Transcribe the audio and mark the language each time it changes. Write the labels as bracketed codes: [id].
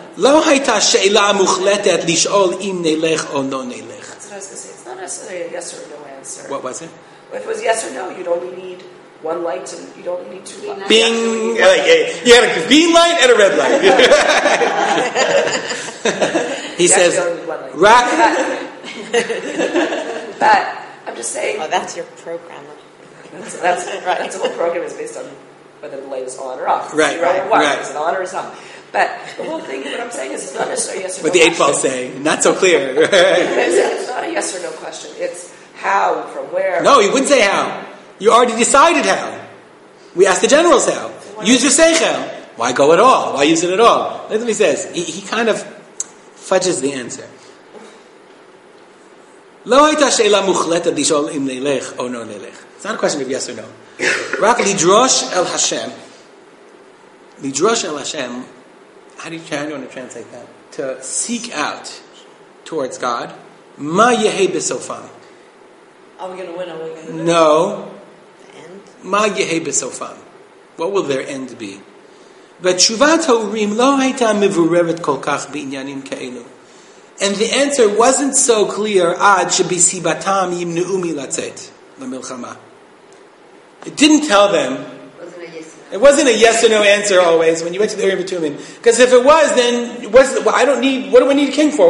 [he] לא הייתה שאלה מוחלטת לשאול אם נלך או לא נלך. [en] That's what I was going to say. It's not necessarily a yes or no answer. What was it? If it was yes or no, you'd only need one light and you'd only need two lights. Bing! You had a green light and a red light. He says, rack. But I'm just saying... Oh, that's your programmer. That's right. That's the whole program is based on whether the light is on or off. Right, right, one, right. Is it on or is it on? But the whole thing, what I'm saying is, it's not necessarily yes or no. What the Eightfold say, not so clear. It's not a yes or no question. It's how, from where. No, you wouldn't say how. You already decided how. We asked the generals how. Use your seichel. Why go at all? Why use it at all? That's what he says. He kind of fudges the answer. [he] לא הייתה שאלה מוחלטת לשאול אם נלך או לא נלך. [en] It's not a question of yes or no. [he] רק לדרוש אל השם. לדרוש אל השם. [en] How do you want to translate that? To seek out towards God. [he] מה יהיה בסופם? [en] Are we going to win? No. [he] מה יהיה בסופם? [en] What will their end be? [he] ותשובת ההורים לא הייתה מבוררת כל כך בעניינים כאלו. [en] And the answer wasn't so clear [he] עד שבסיבתם ימנעו מלצאת למלחמה. [en] It didn't tell them. It wasn't a yes or no answer always when you went to the Urim Tumim. Because if it was, then what's the, well, I don't need, what do we need a king for?